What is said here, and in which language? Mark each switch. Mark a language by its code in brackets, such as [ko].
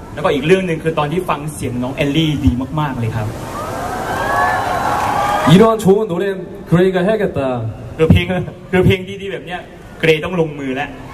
[th] แล้วก็อีกเรื่องนึงคือตอนที่ฟังเสียงน้องแอลลี่ดีมากๆเลยครับ [ko] 이런좋은노래는그레이가해야겠다 [th] 그 เพลงดีๆแบบเนี้ยเกรย์ต้องลงมือแล้ว